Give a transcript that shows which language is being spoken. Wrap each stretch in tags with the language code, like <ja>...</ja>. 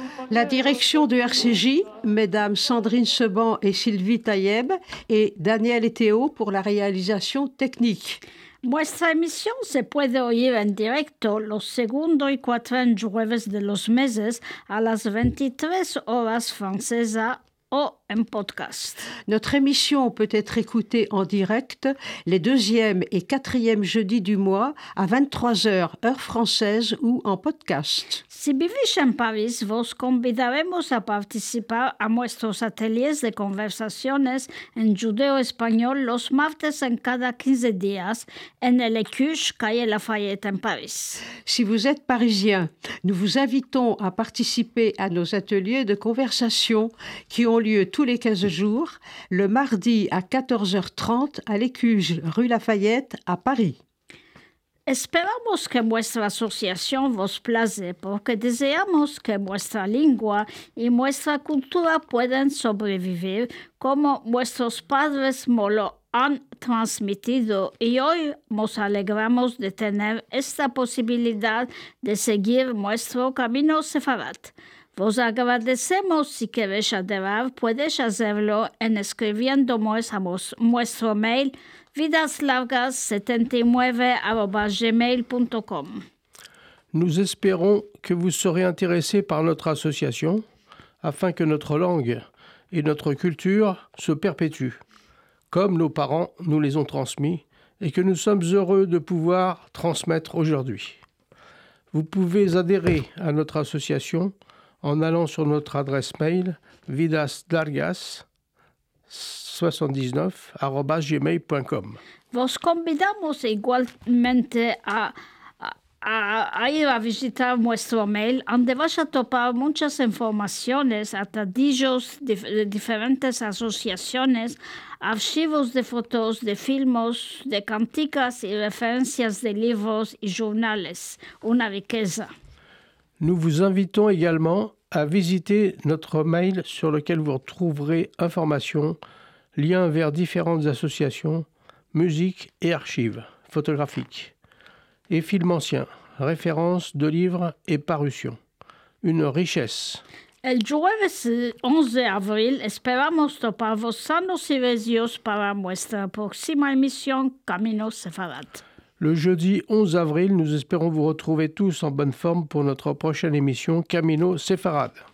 <fr>La direction de RCJ, mesdames Sandrine Seban et Sylvie Taïeb, et Daniel et Théo pour la réalisation technique.</fr> <lad>Nuestra emisión se puede oír en directo los segundos y cuatro jueves de los meses a las 23 horas francesa o en podcast.</lad> <fr>Notre émission peut être écoutée en direct les deuxième et quatrième jeudis du mois à 23h, heure française ou en podcast.</fr> <lad>Si vivís en París, vos convidaremos a participar a nuestros ateliers de conversaciones en judeo-español los martes en cada 15 días en el Écuche, calle Lafayette, en París.</lad> <fr>Si vous êtes parisien, nous vous invitons à participer à nos ateliers de conversation qui ont lieu tous les 15 jours, le mardi à 14h30 à l'Écuge, rue Lafayette, à Paris.</fr> <lad>Esperamos que vuestra asociación vos place, porque deseamos que vuestra lengua y vuestra cultura puedan sobrevivir como vuestros padres nos lo han transmitido. Y hoy nos alegramos de tener esta posibilidad de seguir nuestro camino sefarad. Vos agradecemos si queréis adherir, puedes hacerlo en escribiéndonos a nuestro mail vidaslargas79@gmail.com.</lad> <fr>Nous espérons que vous serez intéressés par notre association afin que notre langue et notre culture se perpétuent, comme nos parents nous les ont transmis et que nous sommes heureux de pouvoir transmettre aujourd'hui. Vous pouvez adhérer à notre association en allant sur notre adresse mail vidaslargas79@gmail.com.</fr> <lad>Vos convidamos igualmente a ir a visitar nuestro mail, donde vas a topar muchas informaciones, atadillos de diferentes asociaciones, archivos de fotos, de filmes, de canticas y referencias de libros y journales. Una riqueza.</lad> <fr>Nous vous invitons également à visiter notre mail sur lequel vous retrouverez informations, liens vers différentes associations, musique et archives photographiques et films anciens, références de livres et parutions. Une richesse.</fr> <lad>El jueves 11 avril esperamos topar vos sanos y vesios para nuestra próxima emisión Camino Sefarad.</lad> <fr>Le jeudi 11 avril, nous espérons vous retrouver tous en bonne forme pour notre prochaine émission Camino Sefarad.</fr>